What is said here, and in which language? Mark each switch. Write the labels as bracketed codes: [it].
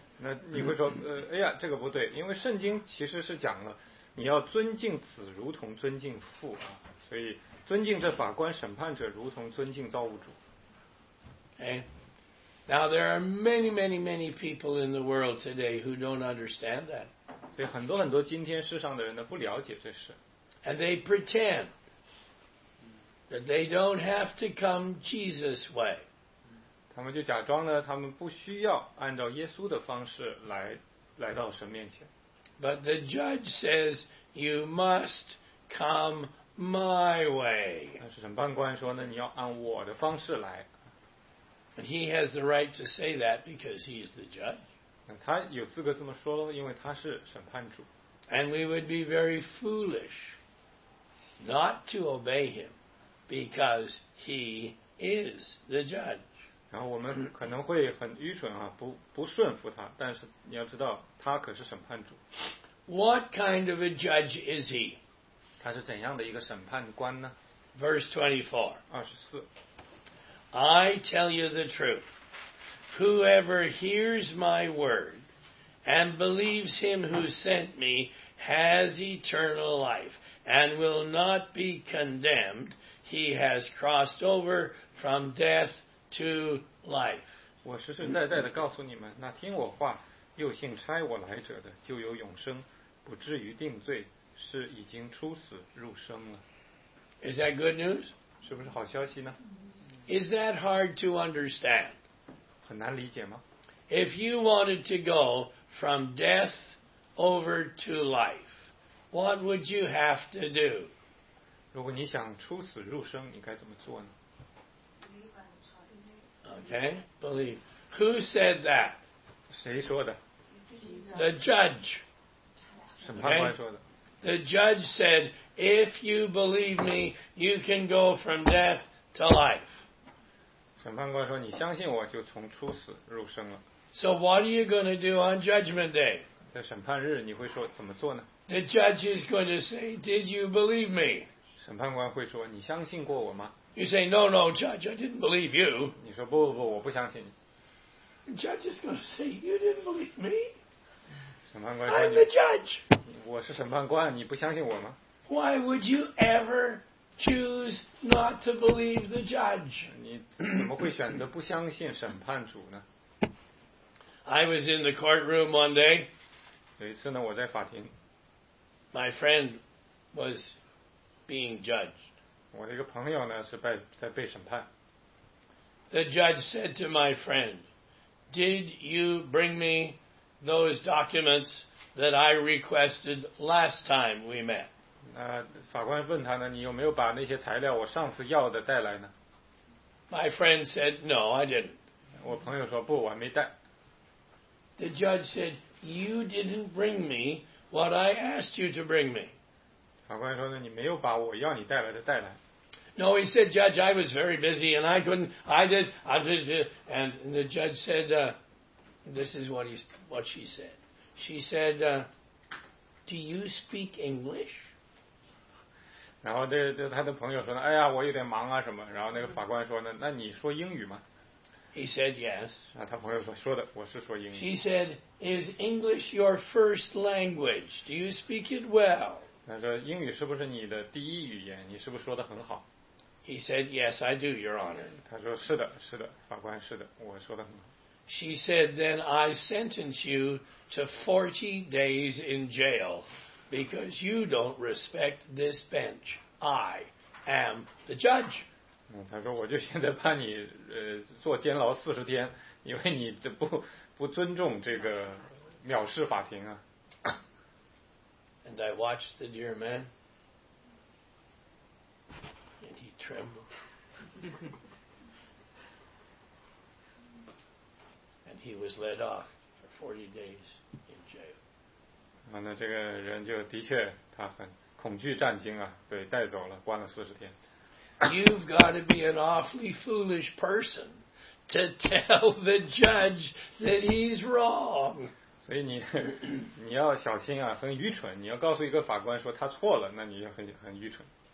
[zh] 那你会说，哎呀，这个不对，因为圣经其实是讲了，你要尊敬子如同尊敬父啊，所以尊敬这法官审判者如同尊敬造物主。 [en] Okay. Now, there are many, many, many people in the world today who don't understand that. [zh] 所以很多很多今天世上的人呢不了解这事。 [en] And they pretend that they don't have to come Jesus' way. [zh] 他们就假装呢，他们不需要按照耶稣的方式来到神面前。 [en] But the judge says, you must come my way. [zh] 但是审判官说呢，你要按我的方式来。 [en] And he has the right to say that because he is the judge. [zh] 他有资格这么说咯，因为他是审判主。 [en] And we would be very foolish not to obey him because he is the judge. [zh] 然后我们可能会很愚蠢啊，不顺服他，但是你要知道他可是审判主。 [en] What kind of a judge is he? [zh] 他是怎样的一个审判官呢？ [en] Verse 24. I tell you the truth. Whoever hears my word and believes him who sent me has eternal life and will not be condemned. He has crossed over from death to life. [zh] 我实实在在地告诉你们，那听我话又信差我来者的就有永生，不至于定罪，是已经出死入生了。 [en] Is that good news? [zh] 是不是好消息呢？ [en] Is that hard to understand? [zh] 很难理解吗？ [en] If you wanted to go from death over to life, what would you have to do? [zh] 如果你想出死入生，你该怎么做呢？ [en] Okay, believe. Who said that? [zh] 谁说的？ [en] The judge. [zh] 审判官说的。 [en] The judge said, if you believe me, you can go from death to life. [zh] 审判官说：“你相信我，就从出死入生了。” [en] So what are you going to do on Judgment Day? [zh] 在审判日，你会说怎么做呢？ [en] The judge is going to say, "Did you believe me?" [zh] 审判官会说：“你相信过我吗？” [en] You say, "No, no, Judge, I didn't believe you." [zh] 你说：“不不不，我不相信你。” [en] Judge is going to say, "You didn't believe me." [zh] 审判官说：“ [en] I'm the judge." [zh] 我是审判官，你不相信我吗？ [en] Why would you ever? Choose not to believe the judge. [zh] 你怎么会选择不相信审判主呢？ [en] I was in the courtroom one day. [zh] 有一次呢，我在法庭。 [en] My friend was being judged. [zh] 我的一个朋友呢，是在被审判。 [en] The judge said to my friend, "Did you bring me those documents that I requested last time we met?" [zh] 那法官问他呢，你有没有把那些材料我上次要的带来呢？ [en] My friend said, "No, I didn't." [zh] 我朋友说不，我没带。 [en] The judge said, "You didn't bring me what I asked you to bring me." [zh] 法官说呢，你没有把我要你带来的带来。 [en] No, he said, "Judge, I was very busy and I couldn't, and the judge said, this is what she said. She said, "Do you speak English?" [zh] 然后他的朋友说，哎呀，我有点忙啊什么。然后那个法官说呢，那你说英语吗？ [en] He said, "Yes." [zh] 他朋友说，说的，我是说英语。 [en] She said, "Is English your first language? Do you speak it well?" [zh] 他说，英语是不是你的第一语言？你是不是说的很好？ [en] He said, "Yes, I do, Your Honor." [zh] 他说是的，是的，法官是的，我说的很好。 [en] She said, "Then I sentence you to 40 days in jail because you don't respect this bench. I am the judge." [zh] 他说我就现在把你坐监牢40天，因为你这不尊重这个藐视法庭啊。 [en] And I watched the dear man. Tremble. And he was led off for 40 days in jail. [zh] 那这个人就的确他很恐惧战惊啊，被带走了，关了40天。 [en] You've got to be an awfully foolish person to tell the judge that he's wrong. [zh] 所以你要小心啊，很愚蠢。你要告诉一个法官说他错了，那你就很愚蠢。